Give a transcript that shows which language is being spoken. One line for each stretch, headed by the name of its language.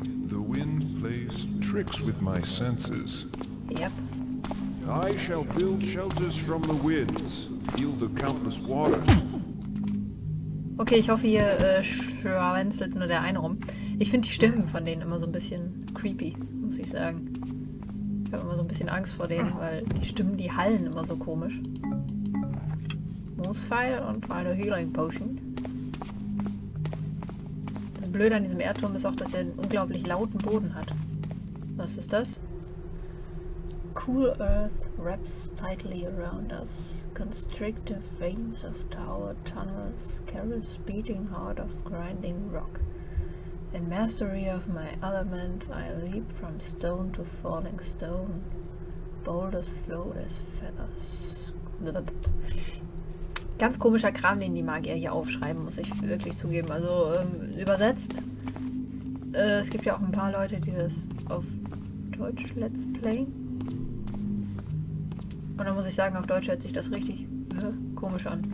English: The wind plays tricks with my senses. Yep. I shall build shelters from the winds, feel the countless waters.
German: Okay, ich hoffe, ihr schwänzelt nur der eine rum. Ich finde die Stimmen von denen immer so ein bisschen creepy, muss ich sagen. Ich habe immer so ein bisschen Angst vor denen, weil die Stimmen, die hallen immer so komisch. Moosfeil und eine Healing Potion. Das Blöde an diesem Erdturm ist auch, dass er einen unglaublich lauten Boden hat. Was ist das?
English: Cool earth wraps tightly around us. Constrictive veins of tower tunnels carry beating heart of grinding rock. In mastery of my element, I leap from stone to falling stone. Boulders float as feathers.
German: Ganz komischer Kram, den die Magier hier aufschreiben, muss ich wirklich zugeben. Also übersetzt. Es gibt ja auch ein paar Leute, die das auf Deutsch Let's Play. Und da muss ich sagen, auf Deutsch hört sich das richtig komisch an.